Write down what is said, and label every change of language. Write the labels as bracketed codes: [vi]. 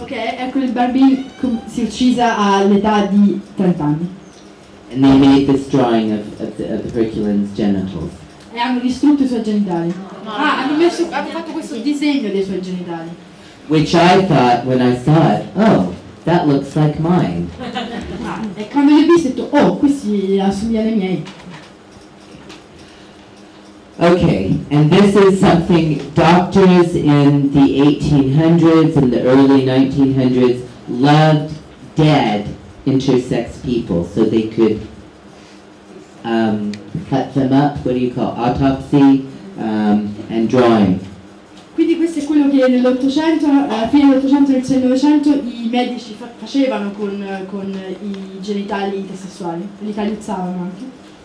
[it] Ok, Hercule Barbin si è uccisa all'età di 30 anni. [en] And they made this drawing of Herculin's genitals. [it] E hanno distrutto i suoi genitali. Hanno fatto questo disegno dei suoi genitali. [en] Which I thought when I saw it, oh, that looks like mine. [it] E quando li ho visti, ho detto, oh, questi assomigliano ai miei. [en] Okay, and this is something doctors in the 1800s and the early 1900s loved dead intersex people, so they could cut them up, what do you call, autopsy, and drawing. [it] Quindi questo è quello che nell'Ottocento, fine dell'Ottocento e inizio del Novecento, i medici facevano con i genitali intersessuali, li tagliuzzavano anche.